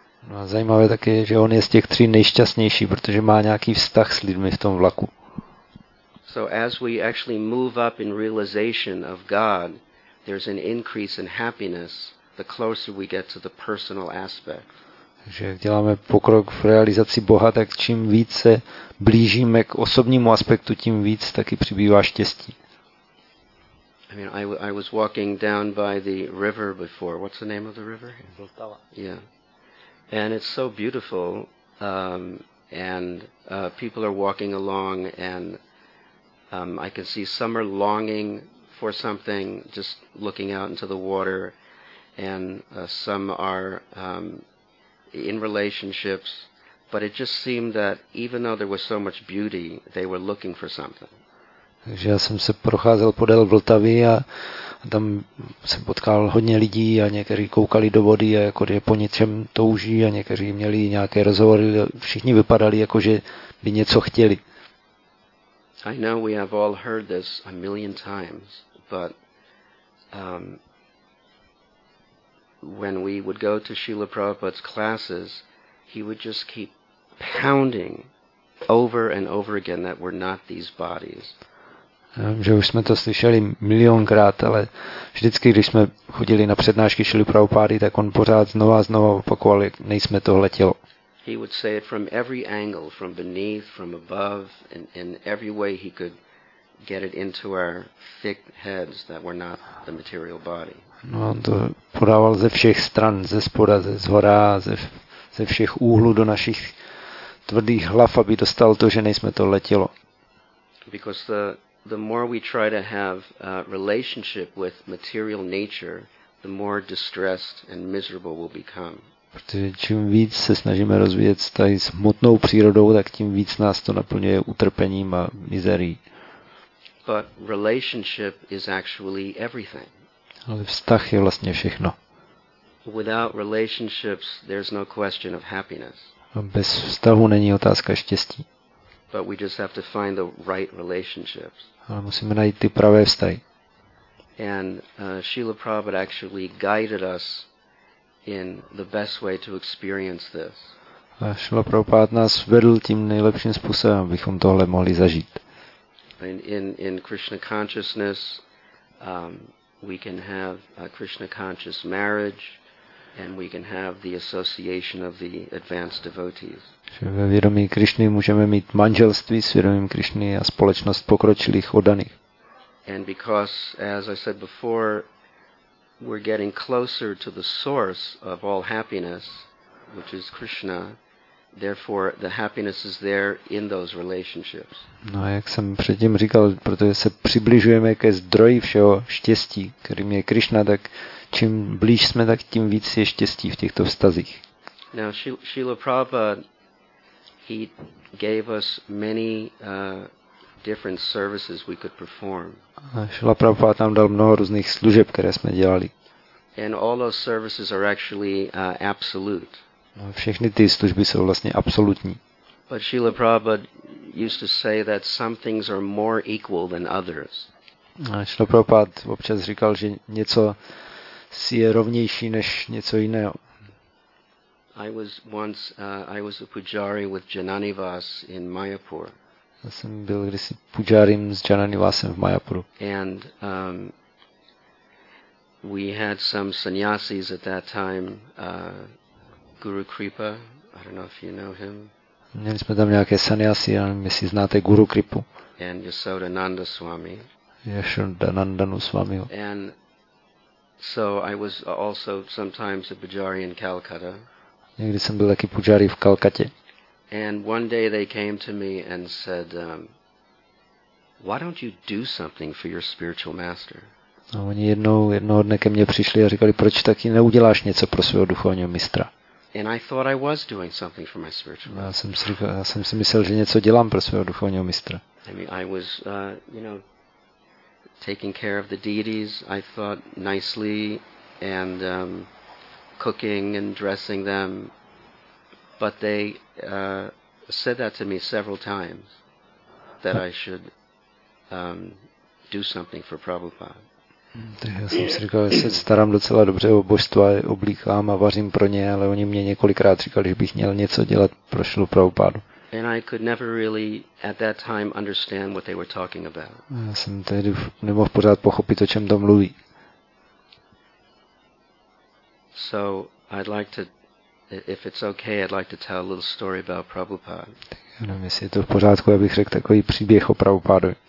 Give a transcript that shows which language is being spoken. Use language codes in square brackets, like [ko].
[cs] No a zajímavé také, že on je z těch tří nejšťastnější, protože má nějaký vztah s lidmi v tom vlaku. [en] So as we actually move up in realization of God, there's an increase in happiness the closer we get to the personal aspect. [cs] Takže jak děláme pokrok v realizaci Boha, tak čím více blížíme k osobnímu aspektu, tím víc taky přibývá štěstí. [en] I mean, I was walking down by the river before. What's the name of the river? Vltava. Yeah. And it's so beautiful, people are walking along, and I can see some are longing for something, just looking out into the water, and some are in relationships, but it just seemed that even though there was so much beauty, they were looking for something. [cs] Takže já jsem se procházel podél Vltavy a tam jsem potkal hodně lidí a někteří koukali do vody a jako je po něčem touží a někteří měli nějaké rozhovory, všichni vypadali jako, že by něco chtěli. [en] I know we have all heard this a million times, but when we would go to Srila Prabhupada's classes, he would just keep pounding over and over again that we're not these bodies. [cs] Já vím, že už jsme to slyšeli milionkrát, ale vždycky, když jsme chodili na přednášky Srila Prabhupády, tak on pořád znova a znova opakoval, jak nejsme tohle tělo. [en] He would say it from every angle, from beneath, from above, and in every way he could get it into our thick heads that we're not the material body. [cs] No, on to podával ze všech stran, ze spoda, ze zhora, ze všech úhlů do našich tvrdých hlav, aby dostal to, že nejsme tohle tělo. [en] Because the more we try to have a relationship with material nature, the more distressed and miserable we'll become. [cs] Protože čím víc se snažíme rozvíjet tady s hmotnou přírodou, tak tím víc nás to naplňuje utrpením a mizerií. [en] But relationship is actually everything. [cs] Ale vztah je vlastně všechno. [en] Without relationships, there's no question of happiness. [cs] A bez vztahu není otázka štěstí. [en] But we just have to find the right relationships. [cs] Ale musíme najít ty pravé vztahy. [en] And Srila Prabhupada actually guided us in the best way to experience this. [cs] A Srila Prabhupada nás vedl tím nejlepším způsobem, abychom tohle mohli zažít. [en] In Krishna consciousness, we can have a Krishna conscious marriage, and we can have the association of the advanced devotees. [cs] Ve vědomí Krišny můžeme mít manželství s vědomím Krišny a společnost pokročilých oddaných. [en] And because, as I said before, we're getting closer to the source of all happiness, which is Krishna, therefore the happiness is there in those relationships. [cs] No a jak jsem předtím říkal, protože se přibližujeme ke zdroji všeho štěstí, kterým je Krishna, tak čím blíž jsme, tak tím víc je štěstí v těchto vztazích. [en] Now Srila Prabhupada, he gave us many different services we could perform. [cs] Srila Prabhupada nám dal mnoho různých služeb, které jsme dělali. [en] And all those services are actually absolute. [cs] No, všechny ty služby jsou vlastně absolutní. [en] But Srila Prabhupada used to say that some things are more equal than others. [cs] Srila Prabhupada občas říkal, že něco si je rovnější než něco jiného. [en] I was a pujari with Jananivas in Mayapur. [cs] Já jsem byl kdysi pujarím s Jananivasem v Mayapuru. [en] And we had some sannyasis at that time, Guru Kripa. I don't know if you know him. [cs] Měli jsme tam nějaké sannyasi, já nevím, jestli znáte Guru Kripu. [en] And Yasodananda Swami. [cs] Yasodanandanu Swamiho. [en] And so I was also sometimes a pujari in Calcutta. [cs] Někdy jsem byl taky pujari v Kalkatě. [en] And one day they came to me and said, why don't you do something for your spiritual master? [cs] A oni jednoho dne ke mně přišli a říkali, proč taky neuděláš něco pro svého duchovního mistra. [en] And I thought I was doing something for my spiritual. [cs] Já jsem si myslel, že něco dělám pro svého duchovního mistra. [en] I mean, I was, taking care of the deities, I thought nicely, and cooking and dressing them, but they said that to me several times that I should do something for Prabhupada. [cs] Tak já jsem si říkal, že se starám docela dobře o božstva, oblíkám a vařím pro ně, ale oni mě několikrát říkali, že bych měl něco dělat pro Šilu Prabhupádu. [en] And I could never really at that time understand what they were talking about. [cs] Já jsem tehdy nemohl pořád pochopit, o čem to mluví. [en] So I'd like to, if it's okay, I'd like to tell a little story about Prabhupada. [cs] Tak já nevím, jestli je to v pořádku, abych řekl takový příběh o Prabhupádu.